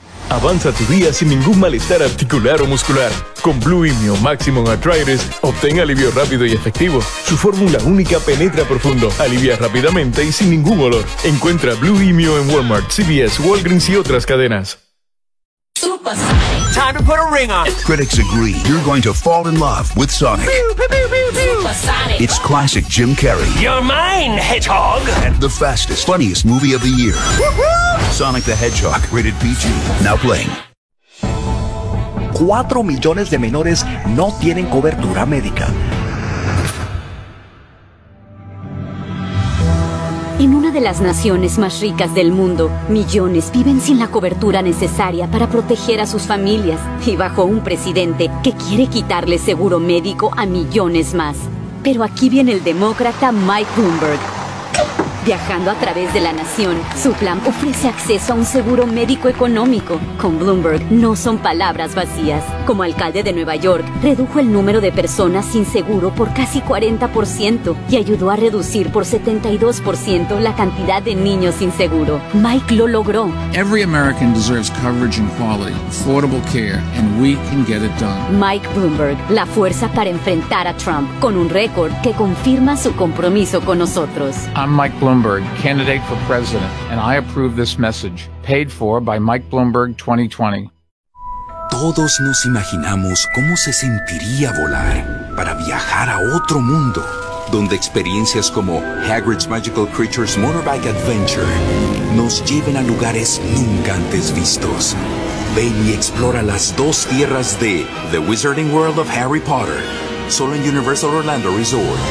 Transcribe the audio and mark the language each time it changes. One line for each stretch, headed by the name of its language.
Spanish: Avanza tu día sin ningún malestar articular o muscular. Con Blue Immune Maximum Arthritis, obtén alivio rápido y efectivo. Su fórmula única penetra profundo, alivia rápidamente y sin ningún olor. Encuentra Blue Immune en Walmart, CVS, Walgreens y otras cadenas.
English: Time to put a ring on it. Critics agree you're going to fall in love with Sonic. It's classic Jim Carrey. You're mine, Hedgehog. And the fastest, funniest movie of the year. Woo-hoo! Sonic the Hedgehog, rated PG. Now playing.
Spanish: 4 millones de menores no tienen cobertura médica. En una de las naciones más ricas del mundo, millones viven sin la cobertura necesaria para proteger a sus familias y bajo un presidente que quiere quitarle seguro médico a millones más. Pero aquí viene el demócrata Mike Bloomberg. Viajando a través de la nación, su plan ofrece acceso a un seguro médico económico. Con Bloomberg no son palabras vacías. Como alcalde de Nueva York, redujo el número de personas sin seguro por casi 40% y ayudó a reducir por 72% la cantidad de niños sin seguro. Mike lo logró.
English: Every American deserves coverage and quality, affordable care, and we can get it done.
Spanish: Mike Bloomberg, la fuerza para enfrentar a Trump, con un récord que confirma su compromiso con nosotros.
English: I'm Mike Bloomberg, candidate for president, and I approve this message, paid for by Mike Bloomberg 2020.
Spanish: Todos nos imaginamos cómo se sentiría volar para viajar a otro mundo. donde experiencias como Hagrid's Magical Creatures Motorbike Adventure nos lleven a lugares nunca antes vistos. Ven y explora las dos tierras de The Wizarding World of Harry Potter, solo en Universal Orlando Resort.